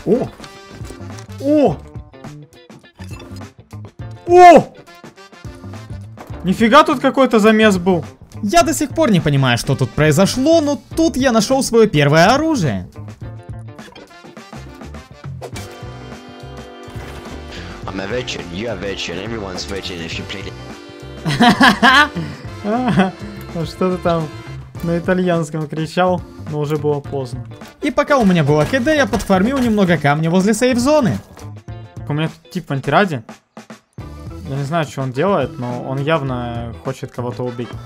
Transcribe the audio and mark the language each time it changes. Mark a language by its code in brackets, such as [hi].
[ru] О! О! О! Нифига тут какой-то замес был. Я до сих пор не понимаю, что тут произошло, но тут я нашел свое первое оружие. [en] I'm a veteran, you're a veteran, everyone's veteran if you play. [ru] Что ты там на итальянском кричал, но уже было поздно. И пока у меня было КД, я подфармил немного камня возле сейф-зоны. У меня тут тип в антираде. Я не знаю, что он делает, но он явно хочет кого-то убить.